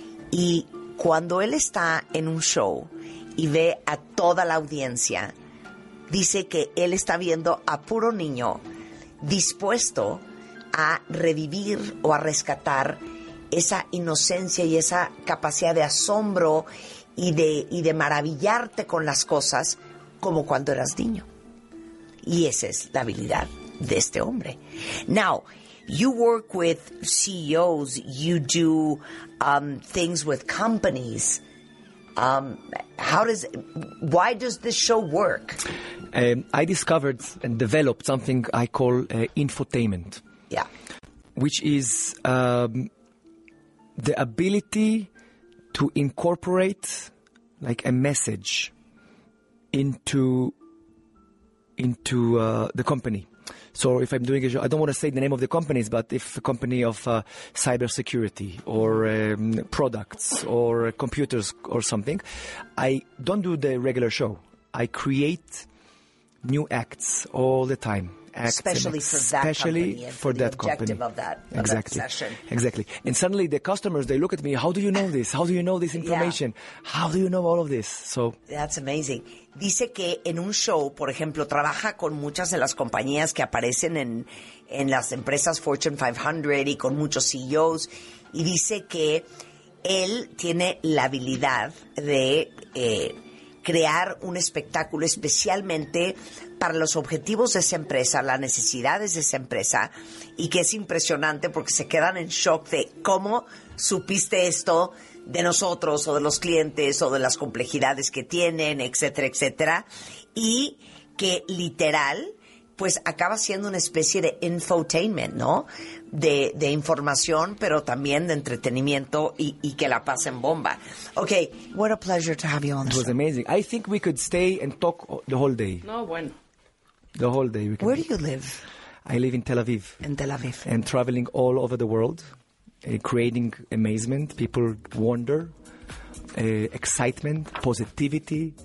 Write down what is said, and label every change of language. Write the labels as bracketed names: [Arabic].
[Spanish] Y cuando él está en un show y ve a toda la audiencia, dice que él está viendo a puro niño dispuesto a revivir o a rescatar esa inocencia y esa capacidad de asombro y de maravillarte con las cosas como cuando eras niño. Y esa es la habilidad de este hombre. [English] Now, you work with CEOs, you do things with companies. Why does this show work? I discovered and developed something I call infotainment. Yeah. Which is the ability to incorporate like a message into the company. So if I'm doing a show, I don't want to say the name of the companies, but if a company of cybersecurity or products or computers or something, I don't do the regular show. I create new acts all the time. Especially for that company. Exactly. Session. Exactly. And suddenly the customers, they look at me, how do you know this? How do you know this information? Yeah. How do you know all of this? So that's amazing. [Spanish] Dice que en un show, por ejemplo, trabaja con muchas de las compañías que aparecen en las empresas Fortune 500 y con muchos CEOs. Y dice que él tiene la habilidad de crear un espectáculo especialmente para los objetivos de esa empresa, las necesidades de esa empresa, y que es impresionante porque se quedan en shock de cómo supiste esto de nosotros o de los clientes o de las complejidades que tienen, etcétera, etcétera. Y que literal, pues acaba siendo una especie de infotainment, ¿no? De información, pero también de entretenimiento y que la pasen bomba. [English] Okay, what a pleasure to have you on. It was amazing. I think we could stay and talk the whole day. [Spanish] No, bueno. [English] The whole day. Where do you live? I live in Tel Aviv. In Tel Aviv. And traveling all over the world, creating amazement, people wonder, excitement, positivity,